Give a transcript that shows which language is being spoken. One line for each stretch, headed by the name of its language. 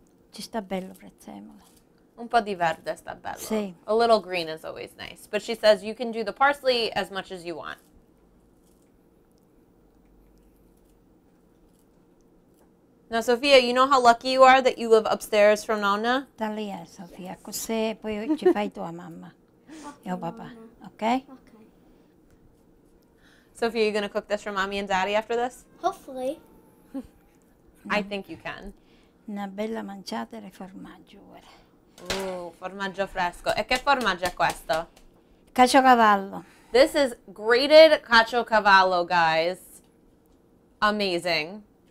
Italian: Ci sta bello, prezzemolo. Un po' di verde sta bello. Sì.
English: A little green is always nice. But she says you can do the parsley as much as you want. Now, Sofia, you know how lucky you are that you live upstairs from Nonna?
Italian: Da lì è, Sofia.
English: Yes.
Italian: Così poi ci fai tua mamma e papà. Mamma. Okay? Okay.
English: Sofia, are you going to cook this for mommy and daddy after this? Hopefully. I think you can.
Italian: Una bella manciata di formaggio. Ooh, formaggio fresco. E che formaggio è questo? Caciocavallo.
English: This is grated caciocavallo, guys. Amazing.